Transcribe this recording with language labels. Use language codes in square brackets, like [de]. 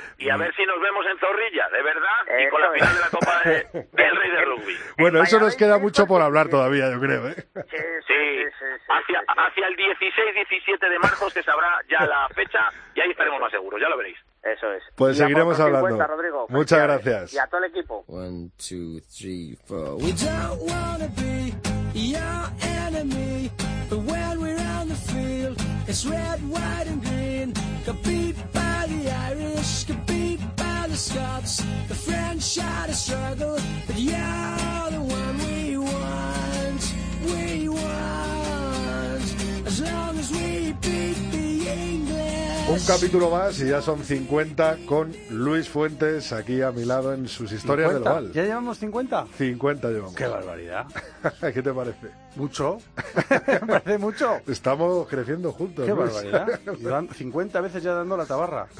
[es] Y a ver si nos vemos en Zorrilla, de verdad, y con la final de la Copa del Rey del Rugby. Bueno, eso nos queda mucho por hablar todavía, yo creo, ¿eh? Sí, hacia el 16-17 de marzo se sabrá ya la fecha y ahí estaremos más seguros, ya lo veréis. Eso es. Pues y seguiremos hablando. 50, Rodrigo. Muchas gracias. Y a todo el equipo. [en] 1, 2, 3, 4. We don't want to be your enemy. But when we're on the field, it's red, white and green. Got beat by the Irish, got beat by the Scots. The French had a struggle, but you're the one we want. We want. As long as we beat the English. [es] Un capítulo más y ya son 50 con Luis Fuentes aquí a mi lado en sus historias del Val. ¿Ya llevamos 50? 50 llevamos. ¡Qué barbaridad! ¿Qué te parece? Mucho. ¿Me parece mucho? Estamos creciendo juntos. ¡Qué Luis. Barbaridad! 50 veces ya dando la tabarra.